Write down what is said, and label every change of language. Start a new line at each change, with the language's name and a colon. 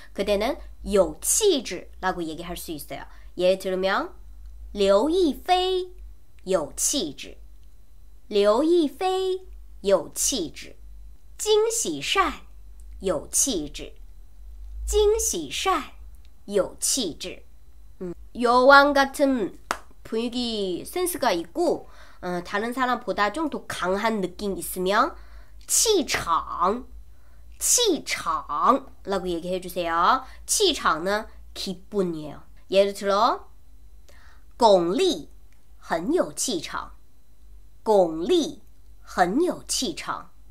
Korean: 그때는有气质라고얘기할수있어요。예를들면
Chinese: 刘亦菲有气质，刘亦菲有气质，金喜善有气质。惊喜善，有气质。
Korean: 여왕 같은 분위기 센스가 있고, 다른 사람보다 좀더 강한 느낌 있으면 气场라고 얘기해 주세요. 气场呢, 기분이에요. 예를 들어,
Chinese: 巩俐 很有气场，巩俐很有气场。